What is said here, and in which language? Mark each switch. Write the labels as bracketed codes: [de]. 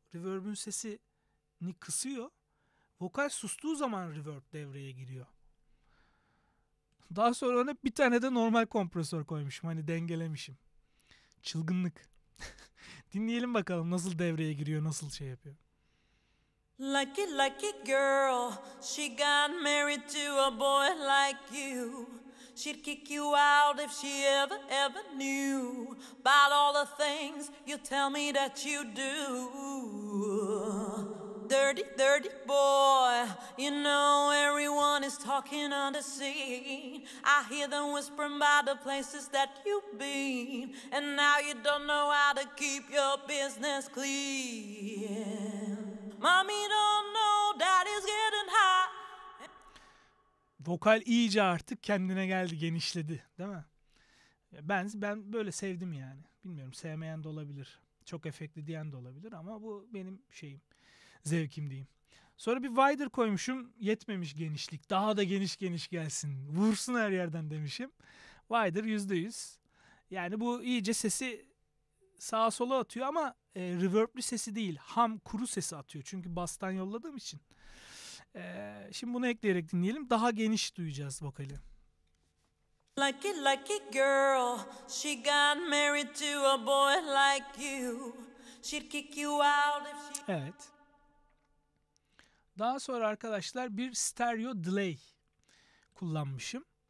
[tr] Reverb'ün sesini kısıyor. Vokal sustuğu zaman reverb devreye giriyor. Daha sonra ona bir tane de normal kompresör koymuşum. Hani dengelemişim. Çılgınlık. Dinleyelim bakalım nasıl devreye giriyor, nasıl şey yapıyor. [en] Lucky, lucky girl, she got married to a boy like you. She'd kick you out if she ever, ever knew about all the things you tell me that you do. Dirty, dirty boy, you know everyone is talking on the scene. I hear them whispering about the places that you've been, and now you don't know how to keep your business clean. Mommy don't know, daddy's getting hot. [tr] Vokal iyice artık kendine geldi, genişledi, değil mi? Ben böyle sevdim yani. Bilmiyorum, sevmeyen de olabilir, çok efektli diyen de olabilir ama bu benim şeyim, zevkim diyeyim. Sonra bir wider koymuşum, yetmemiş genişlik. Daha da geniş geniş gelsin, vursun her yerden demişim. Wider %100. Yani bu iyice sesi sağa sola atıyor ama reverb'lü sesi değil, ham kuru sesi atıyor. Çünkü bastan yolladığım için. Şimdi bunu ekleyerek dinleyelim. Daha geniş duyacağız vokali. [en] Lucky, lucky girl, she got married to a boy like you. She'd kick you out if she... [tr] Evet. Daha sonra arkadaşlar bir stereo delay kullanmışım.